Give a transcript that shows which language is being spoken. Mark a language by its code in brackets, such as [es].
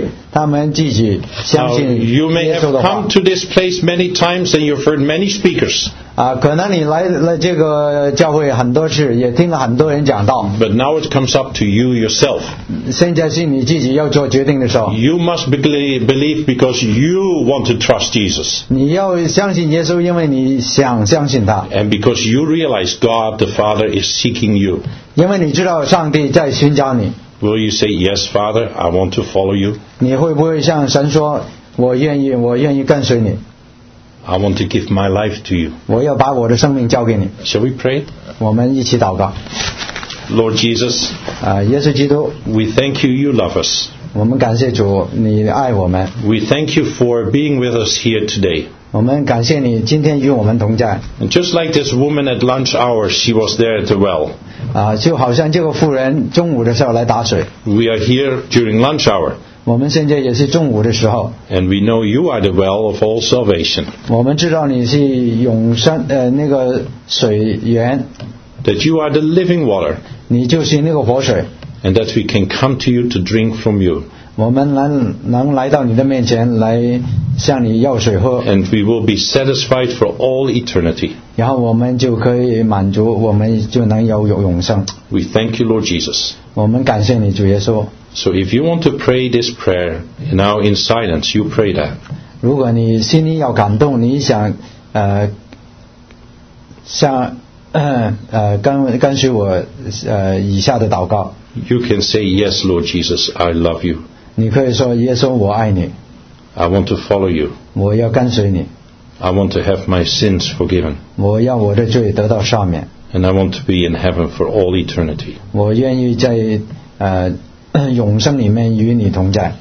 [zh] 他们自己相信耶稣的话。 [en] Now, you may have come to this place many times and you've heard many speakers. [zh] 可能你来了这个教会很多次，也听了很多人讲道。 [en] But now it comes up to you yourself. [zh] 现在是你自己要做决定的时候。 [en] You must believe because you want to trust Jesus. [zh] 你要相信耶稣，因为你想相信他。 [en] And because you realize God the Father is seeking you. [zh] 因为你知道上帝在寻找你。 [en] Will you say, yes, Father, I want to follow you? [zh] 你会不会向神说，我愿意跟随你？ [en] I want to give my life to you. [zh] 我要把我的生命交给你。 [en] Shall we pray? [zh] 我们一起祷告。 [en] Lord Jesus, [zh] 耶稣基督, [en] we thank you, you love us. [zh] 我们感谢主，你爱我们。 [en] We thank you for being with us here today. [zh] 我们感谢你今天与我们同在。 [en] And just like this woman at lunch hour, she was there at the well. [zh] 就好像这个妇人中午的时候来打水。 [en] We are here during lunch hour. [zh] 我们现在也是中午的时候。 [en] And we know you are the well of all salvation. [zh] 我们知道你是永生，那个水源。 [en] That you are the living water. [zh] 你就是那个活水。 [en] And that we can come to you to drink from you. [zh] 我们能来到你的面前来向你要水喝。 [en] And we will be satisfied for all eternity. [zh] 然后我们就可以满足，我们就能有永生。 [en] We thank you, Lord Jesus. [zh] 我们感谢你，主耶稣。 [en] So if you want to pray this prayer now in silence, you pray that. [zh] 如果你心里要感动，你想，跟随我以下的祷告。 [en] You can say, yes, Lord Jesus, I love you. [zh] 你可以说耶稣我爱你。 [en] I want to follow you. [zh] 我要跟随你。 [en] I want to have my sins forgiven. [zh] 我要我的罪得到赦免。 [en] And I want to be in heaven for all eternity. [zh] 我愿意在永生里面与你同在。